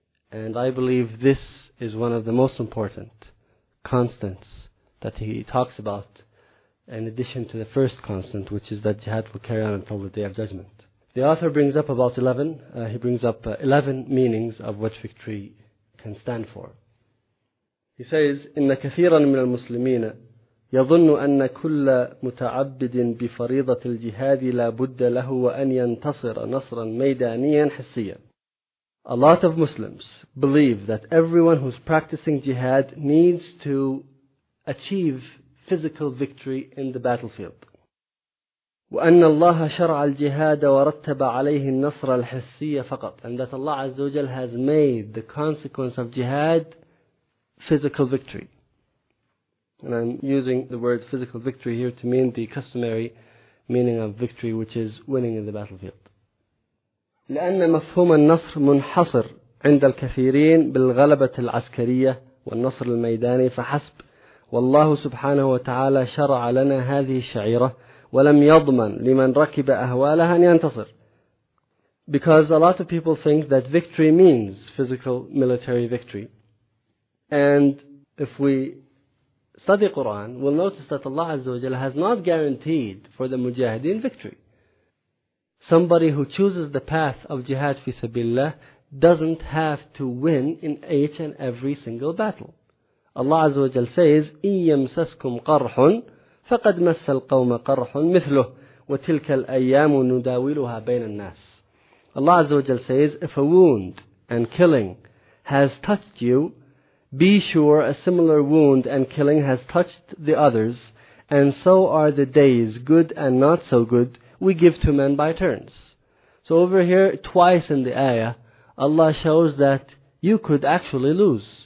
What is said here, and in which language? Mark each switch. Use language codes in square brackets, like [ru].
[en] And I believe this is one of the most important constants that he talks about, in addition to the first constant, which is that jihad will carry on until the Day of Judgment. The author brings up about 11, he brings up 11 meanings of what victory can stand for. He says, [ar] إِنَّ كَثِيرًا مِنَ الْمُسْلِمِينَ يظن أن كل متعبد بفريضة الجهاد لا بد له أن ينتصر نصرا ميدانيا حسيا. [en] A lot of Muslims believe that everyone who's practicing jihad needs to achieve physical victory in the battlefield. [ar] وأن الله شرع الجهاد ورتب عليه النصر الحسي فقط. [en] And that Allah Azza wa Jal has made the consequence of jihad physical victory. And I'm using the word physical victory here to mean the customary meaning of victory, which is winning in the battlefield. [ar] لأن مفهوم النصر منحصر عند الكثيرين بالغلبة العسكرية والنصر الميداني فحسب. والله سبحانه وتعالى شرع لنا هذه الشعيرة ولم يضمن لمن ركب أهوالها أن ينتصر. [en] Because a lot of people think that victory means physical military victory. And if we study Quran, we'll notice that Allah Azza wa Jalla has not guaranteed for the mujahideen victory. Somebody who chooses the path of jihad fi sabilillah doesn't have to win in each and every single battle. Allah Azza wa Jalla says, [ar] إِيَّمْسَسْكُمْ قَرْحٌ فَقَدْ مَسَّ الْقَوْمَ قَرْحٌ مِثْلُهُ وَتِلْكَ الْأَيَّامُ نُدَاوِلُهَا بَيْنَ النَّاسِ. [en] Allah Azza wa Jalla says, if a wound and killing has touched you, be sure a similar wound and killing has touched the others, and so are the days, good and not so good, we give to men by turns. So over here, twice in the ayah, Allah shows that you could actually lose.